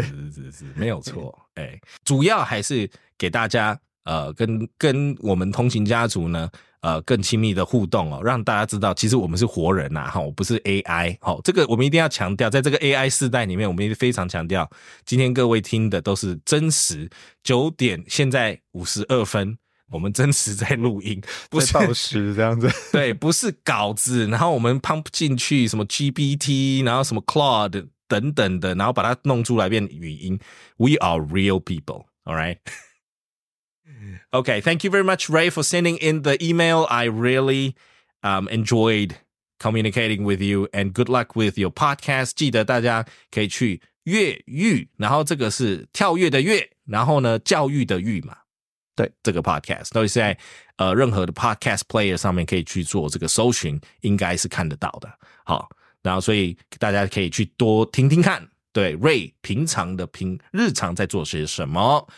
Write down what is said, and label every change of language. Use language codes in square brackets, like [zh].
[zh] 对对对是是 是, 是没有错主要还是给大家跟我们通勤家族呢更亲密的互动哦让大家知道其实我们是活人啊齁不是 AI, 齁、哦、这个我们一定要强调在这个 AI 世代里面我们也非常强调今天各位听的都是真实9点现在52分我们真实在录音，不是报时这样子。对，不是稿子，然后我们 pump 进去什么 GPT， 然后什么 Claude 等等的，然后把它弄出来变语音。 [en] We are real people, all right? Okay, thank you very much, Ray, for sending in the email. I really enjoyed communicating with you, and good luck with your podcast. [zh] 记得大家可以去越狱，然后这个是跳跃的跃，然后呢教育的育嘛，对，这个 podcast 都是在任何的 podcast player 上面可以去做这个搜寻，应该是看得到的。好，然后所以大家可以去多听听看，对 Ray 日常在做些什么。